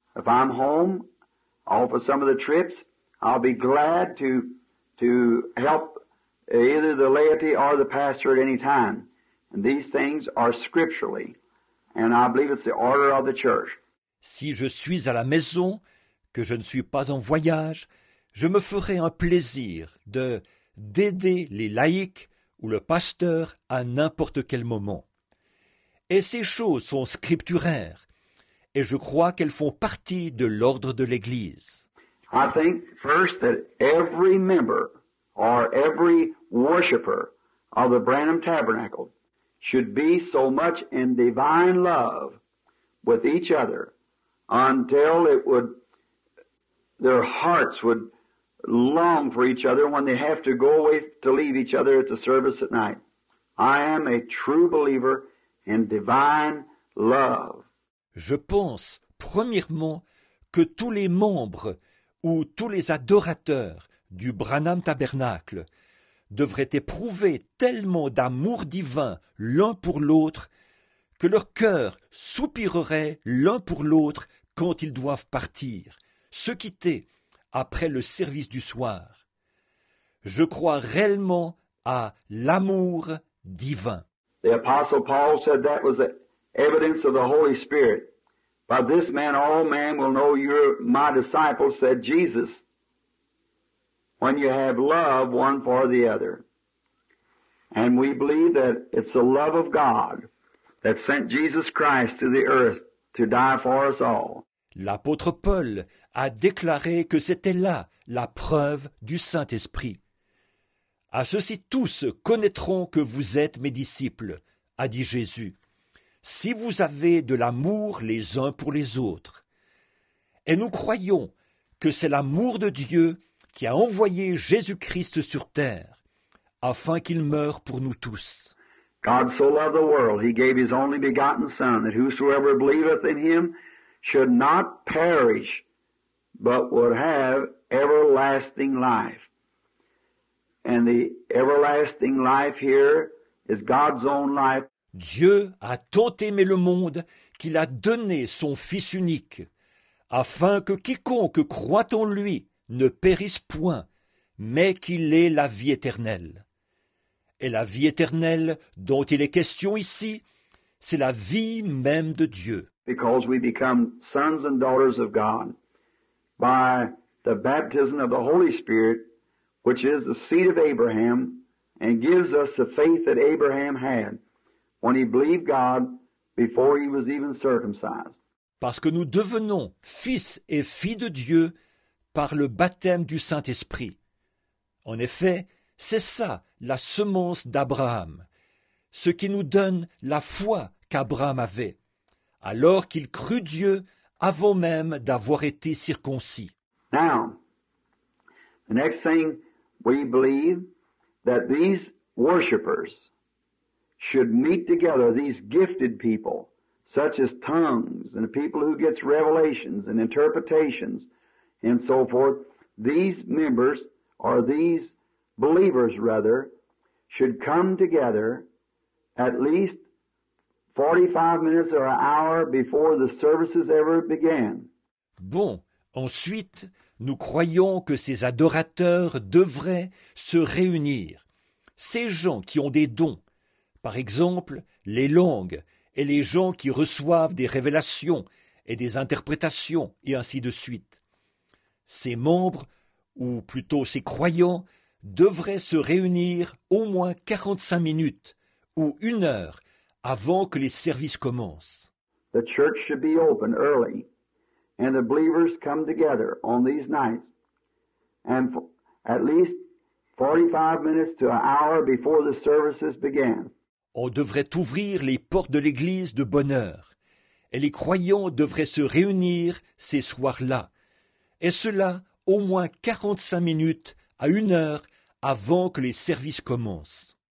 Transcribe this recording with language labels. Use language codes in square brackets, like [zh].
[en] If I'm home, off of some of the trips, I'll be glad to help either the laity or the pastor at any time. And these things are scripturally. And I believe it's the order of the church. [fr] Si je suis à la maison, que je ne suis pas en voyage, je me ferai un plaisir d'aider les laïcs ou le pasteur à n'importe quel moment. Et ces choses sont scripturaires, et je crois qu'elles font partie de l'ordre de l'Église. [en] I think first that every member or every worshiper of the Branham Tabernacle should be so much in divine love with each other until their hearts would long for each other when they have to go away to leave each other at the service at night. I am a true believer in divine love. [fr] Je pense, premièrement, que tous les membres ou tous les adorateurs du Branham Tabernacle devraient éprouver tellement d'amour divin l'un pour l'autre que leur cœur soupirerait l'un pour l'autre quand ils doivent partir, se quitter après le service du soir. Je crois réellement à l'amour divin. [en] The Apostle Paul said that was the evidence of the Holy Spirit. By this man all men will know you're my disciples, said Jesus. When you have love one for the other. And we believe that it's the love of God that sent Jesus Christ to the earth to die for us all. [fr] L'apôtre Paul a déclaré que c'était là la preuve du Saint-Esprit. À ceci tous connaîtront que vous êtes mes disciples, a dit Jésus, si vous avez de l'amour les uns pour les autres. Et nous croyons que c'est l'amour de Dieu qui a envoyé Jésus-Christ sur terre, afin qu'il meure pour nous tous. [en] God so loved the world, he gave his only begotten Son, that whosoever believeth in him should not perish, but would have everlasting life. And the everlasting life here is God's own life. [fr] Dieu a tant aimé le monde qu'il a donné son Fils unique, afin que quiconque croit en lui ne périsse point, mais qu'il ait la vie éternelle. Et la vie éternelle dont il est question ici, c'est la vie même de Dieu. [en] Because we become sons and daughters of God by the baptism of the Holy Spirit, which is the seed of Abraham, and gives us the faith that Abraham had when he believed God before he was even circumcised. [fr] Parce que nous devenons fils et filles de Dieu par le baptême du Saint-Esprit. En effet, c'est ça la semence d'Abraham, ce qui nous donne la foi qu'Abraham avait, alors qu'il crut Dieu avant même d'avoir été circoncis. [en] Now, the next thing we believe that these worshipers should meet together, these gifted people, such as tongues and people who get revelations and interpretations, and so forth, these members, or these believers rather, should come together at least 45 minutes or an hour before the services ever began. [fr] Bon, ensuite, nous croyons que ces adorateurs devraient se réunir. Ces gens qui ont des dons, par exemple les langues et les gens qui reçoivent des révélations et des interprétations, et ainsi de suite. Ces membres, ou plutôt ces croyants, devraient se réunir au moins 45 minutes ou une heure avant que les services commencent. [en] The church should be open early, and the believers come together on these nights, and at least 45 minutes to an hour before the services begin. [fr] On devrait ouvrir les portes de l'église de bonne heure, et les croyants devraient se réunir ces soirs-là, et cela au moins 45 minutes à une heure avant que les services commencent.